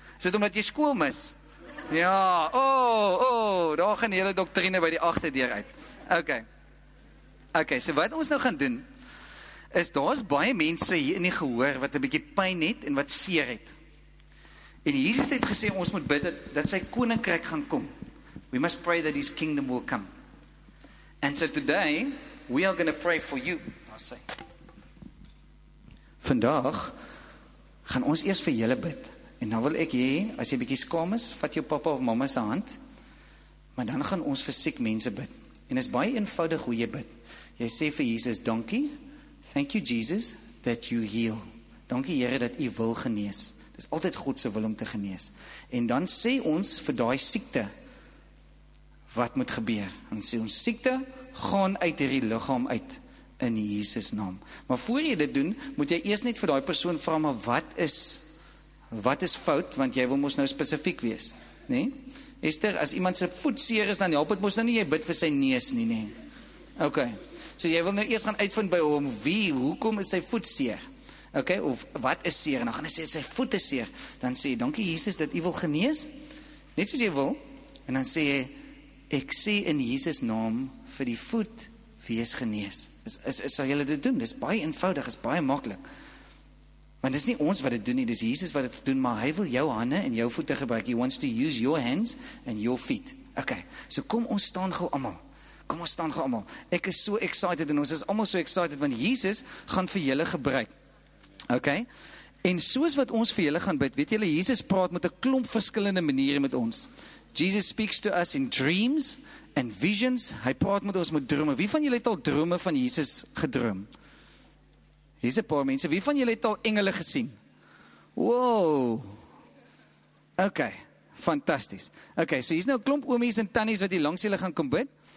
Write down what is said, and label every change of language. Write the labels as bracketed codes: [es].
[af] Is dit omdat jy skool mis? Ja, daar gaan die hele doktrine by die agterdeur uit. Okay, so wat ons nou gaan doen, is daar is baie mense hier in die gehoor, wat 'n bietjie pyn het en wat seer het. En Jesus het gesê, ons moet bid dat sy koninkryk gaan kom. [en] We must pray that his kingdom will come. And so today, we are going to pray for you. [af] Vandag gaan ons eers vir julle bid en dan wil ek hê, as jy bietjie skaam is, vat jou papa of mama se hand, maar dan gaan ons vir siek mense bid. En is baie eenvoudig hoe jy bid. Jy sê vir Jesus, dankie, [en] thank you Jesus, that you heal. [af] Dankie Here dat u wil genees. Dis altyd God se wil om te genees. En dan sê ons vir daai siekte wat moet gebeur. Dan sê ons siekte, gaan uit hierdie liggaam uit. In Jesus naam. Maar voor jy dit doen, moet jy eers net vir die persoon vra, maar wat is fout, want jy wil mos nou specifiek wees. Nee? Esther, as iemand sy voet seer is, dan help het mos nou nie, jy bid vir sy nees nie. Nee. Ok, so jy wil nou eers gaan uitvind by hom, hoekom is sy voet seer? Ok, of wat is seer? En dan gaan hy sê, sy voet is seer. Dan sê, dankie Jesus, dat jy wil genees, net soos jy wil. En dan sê jy, ek sê in Jesus naam, vir die voet, wees genees. Is sal julle dit doen? Dis baie eenvoudig, is baie maklik. Want dis nie ons wat dit doen nie, dis Jesus wat dit doen, maar hy wil jou hande en jou voete gebruik. [en] He wants to use your hands and your feet. [af] Ok, so kom ons staan gou allemaal. Kom ons staan gou allemaal. Ek is so excited en ons is allemaal so excited, want Jesus gaan vir julle gebruik. Ok, en soos wat ons vir julle gaan bid, weet julle, Jesus praat met 'n klomp verskillende maniere met ons. [en] Jesus speaks to us in dreams, [af] en visions, hy praat met ons met drome. Wie van julle het al drome van Jesus gedroom? Hier is een paar mense. Wie van julle het al engele gesien? Wow! Ok, fantastisch. Ok, so hier is nou klomp oomies en tannies wat hier langs julle gaan kom bid.